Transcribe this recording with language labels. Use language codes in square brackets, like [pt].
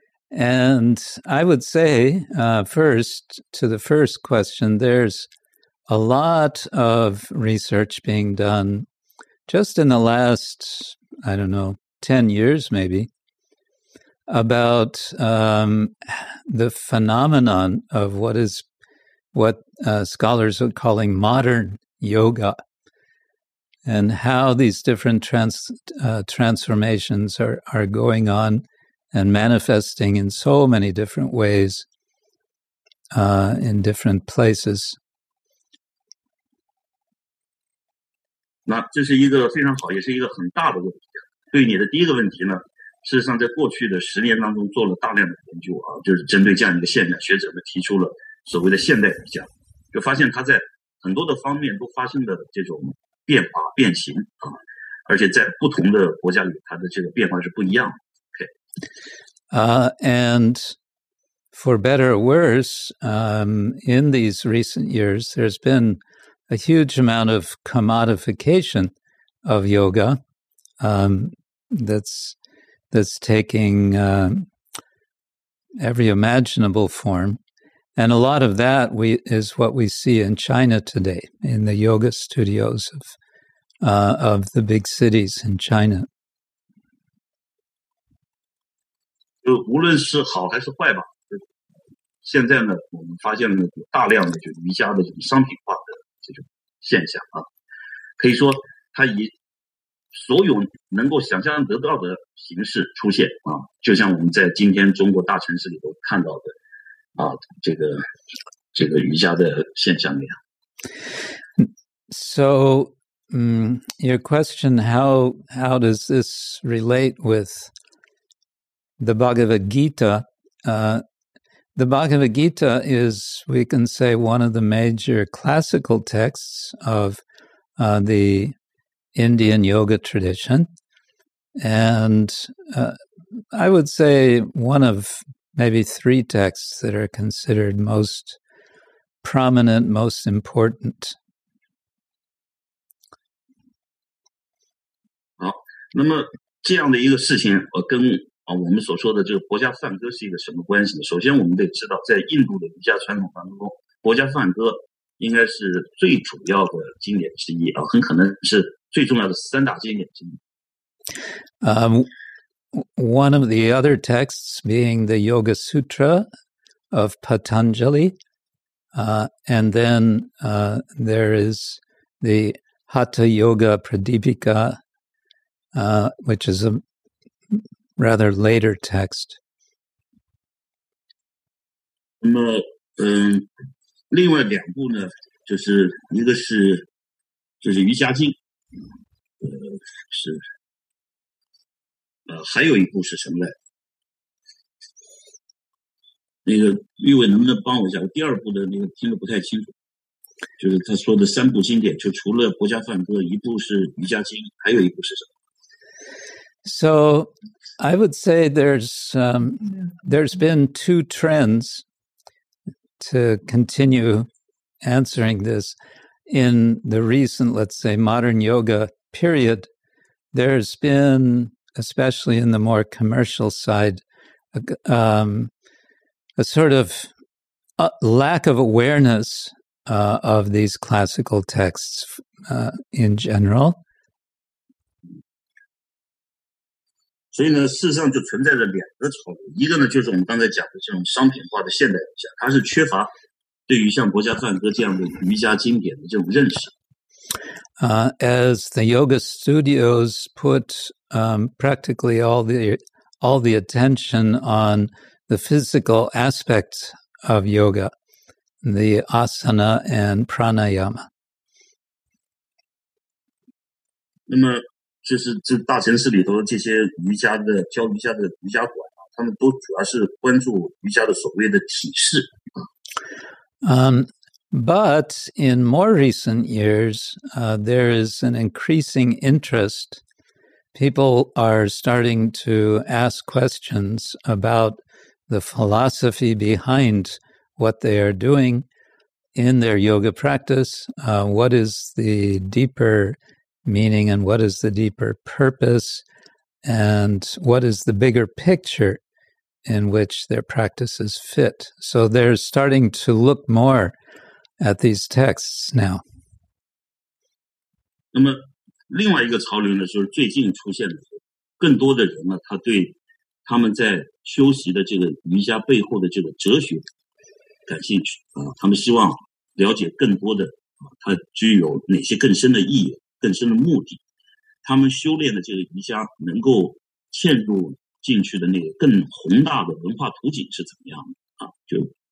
[en] And I would say, first, to the first question, there's a lot of research being done just in the last, I don't know, 10 years maybe, about the phenomenon of what scholars are calling modern yoga, and how these different transformations are going on and manifesting in so many different ways in different places. [zh] 那这是一个非常好，也是一个很大的问题。对你的第一个问题呢，事实上在过去的十年当中做了大量的研究啊，就是针对这样一个现象，学者们提出了所谓的现代瑜伽，就发现它在很多的方面都发生的这种变化变形啊，而且在不同的国家里它的这个变化是不一样的。 [en] And for better or worse, in these recent years, there's been a huge amount of commodification of yoga that's taking every imaginable form. And a lot of that is what we see in China today, in the yoga studios of the big cities in China. [zh] 无论是好还是坏吧，现在呢，我们发现了大量的就瑜伽的这种商品化的这种现象啊，可以说它以所有能够想象得到的形式出现啊，就像我们在今天中国大城市里头看到的啊，这个瑜伽的现象那样。 [en] So, your question, how does this relate with the Bhagavad Gita? The Bhagavad Gita is, we can say, one of the major classical texts of the Indian yoga tradition. And I would say one of maybe three texts that are considered most prominent, most important. [zh] 好，那么这样的一个事情，跟我们所说的这个薄伽梵歌是一个什么关系呢？首先我们得知道，在印度的瑜伽传统当中，薄伽梵歌应该是最主要的经典之一啊，很可能是最重要的三大经典之一。 [en] One of the other texts being the Yoga Sutra of Patanjali, and then there is the Hatha Yoga Pradipika, which is a rather later text. [zh] 那么，另外两部呢，就是一个是就是瑜伽经，还有一部是什么来？那个玉伟能不能帮我一下？我第二部的那个听得不太清楚，就是他说的三部经典，就除了《薄伽梵歌》，一部是瑜伽经，还有一部是什么？ [en] So I would say there's been two trends, to continue answering this, in the recent, let's say, modern yoga period. There's been, especially in the more commercial side, a sort of lack of awareness of these classical texts in general. [zh] 所以呢，事实上就存在着两个潮流，一个呢就是我们刚才讲的这种商品化的现代瑜伽，它是缺乏对于像《国家梵歌》这样的瑜伽经典的这种认识。 [en] As the yoga studios put practically all the attention on the physical aspect of yoga, the asana and pranayama. [zh] 那么就是这大城市里头这些瑜伽的教瑜伽的瑜伽馆啊，他们都主要是关注瑜伽的所谓的体式。 [en] But in more recent years, there is an increasing interest. People are starting to ask questions about the philosophy behind what they are doing in their yoga practice. What is the deeper meaning and what is the deeper purpose? And what is the bigger picture in which their practices fit? So they're starting to look more at these texts now. [zh] 那么另外一个潮流呢，就是最近出现的，更多的人呢，他对他们在修习的这个瑜伽背后的这个哲学感兴趣啊，他们希望了解更多的啊，它具有哪些更深的意义、更深的目的，他们修炼的这个瑜伽能够嵌入进去的那个更宏大的文化图景是怎么样的啊，就。